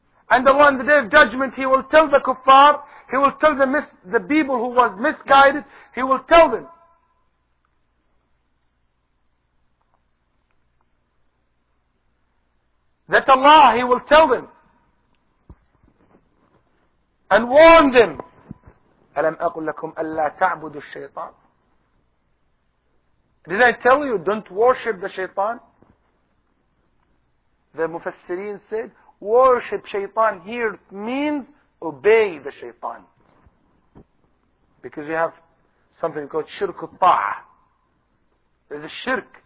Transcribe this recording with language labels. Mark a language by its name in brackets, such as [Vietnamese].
[English] And Allah on the day of judgment, He will tell the kuffar, He will tell the people who was misguided, He will tell them. That Allah, He will tell them. And warn them. [Arabic] أَلَمْ أَقُلْ لَكُمْ أَلَّا تَعْبُدُ الشَّيْطَانِ. [English] Did I tell you, don't worship the shaitan? The mufassirin said, worship shaitan here means obey the shaitan. Because we have something called shirk ta'a. There's a shirk.